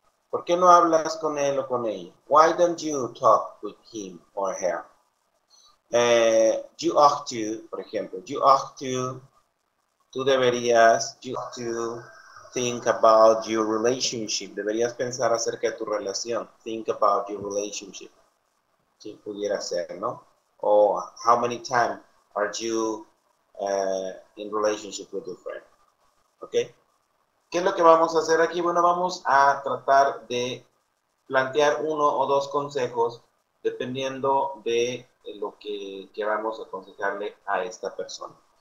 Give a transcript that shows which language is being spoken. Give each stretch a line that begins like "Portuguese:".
Spanish: ¿Por qué no hablas con él o con ella?
English: Why don't you talk with him or her? You ought to,
Spanish: por ejemplo,
English: you ought to,
Spanish: tú deberías,
English: you ought to think about your relationship.
Spanish: Deberías pensar acerca de tu relación.
English: Think about your relationship.
Spanish: ¿Qué pudiera ser, no?
English: O how many times are you in relationship with your friend?
Spanish: Okay. ¿Qué es lo que vamos a hacer aquí? Bueno, vamos a tratar de plantear uno o dos consejos dependiendo de lo que queramos aconsejarle a esta persona.